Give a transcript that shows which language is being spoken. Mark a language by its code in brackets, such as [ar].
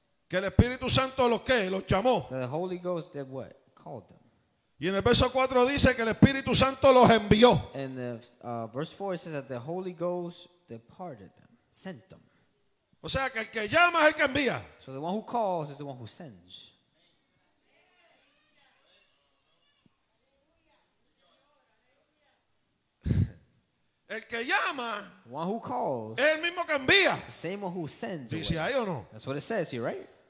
[es] Que el Espíritu Santo los qué, los llamó. [en] That the Holy Ghost did what? Called them. [es] Y en el verso 4 dice que el Espíritu Santo los envió. [en] And verse 4 says that the Holy Ghost departed them, sent them. [es] O sea, que el que llama es el que envía. [en] So the one who calls is the one who sends. [es] El que llama, [en] one who calls, [es] es el mismo que envía. [en] The same one who sends. [es] Dice ahí o no. [en] That's what it says here, right?